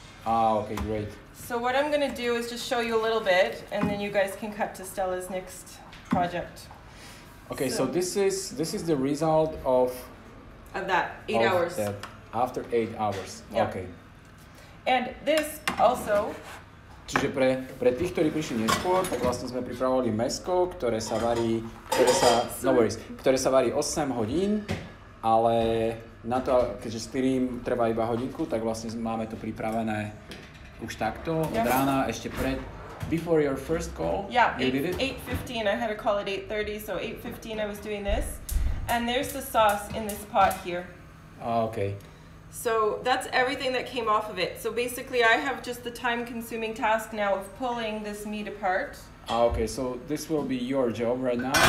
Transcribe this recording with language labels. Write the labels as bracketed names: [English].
[English] Ah, okay, great. So what I'm gonna do is just show you a little bit and then you guys can cut to Stella's next project. Okay, so this is the result of that, after 8 hours, yeah. Okay. And this also. [Slovak] Čiže pre tých, ktorí prišli neskôr, tak vlastne sme pripravovali mesko, ktoré sa varí 8 hodín, ale na to, keďže stirím trvá iba hodinku, tak vlastne máme to pripravené už takto od rána, ešte pred, [English] before your first call. Yeah, you 8:15, I had a call at 8:30, so 8:15 I was doing this. And there's the sauce in this pot here. Okay. So that's everything that came off of it. So basically I have just the time consuming task now of pulling this meat apart. Okay, so this will be your job right now.